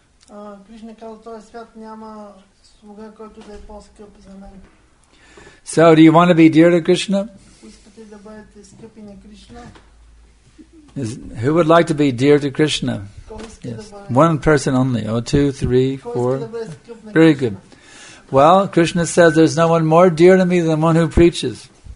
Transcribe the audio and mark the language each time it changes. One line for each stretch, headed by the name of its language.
Bulgarian: Krishna каза, този свят няма слуга, който да е по-скъп за мен.
English: So do you want to be dear to Krishna?
Bulgarian: Искате да бъдете скъпи на Кришна?
English: Who would like to be dear to Krishna? Yes. One person only. Oh, two, three, four. Very good. Well, Krishna says there's no one more dear to me than one who preaches.